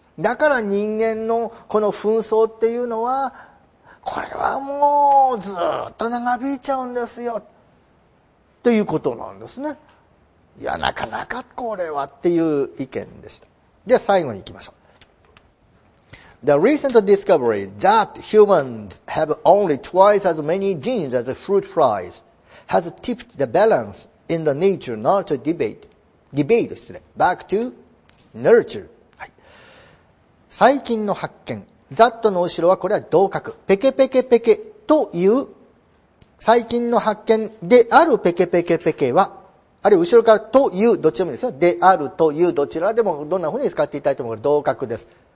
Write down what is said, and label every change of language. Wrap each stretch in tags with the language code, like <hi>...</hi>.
<ja>だから人間のこの紛争っていうのは、これはもうずっと長引いちゃうんですよ、ということなんですね。いや、なかなかこれはっていう意見でした。では最後に行きましょう。</ja> <en>The recent discovery that humans have only twice as many genes as fruit flies has tipped the balance in the nature nurture debate back to nurture.</en> <ja>最近の発見、ザットの後ろはこれは同格、ペケペケペケという最近の発見であるペケペケペケは、あるいは後ろからというどちらもいいですよ。であるというどちらでもどんな風に使っていただいても同格です。</ja>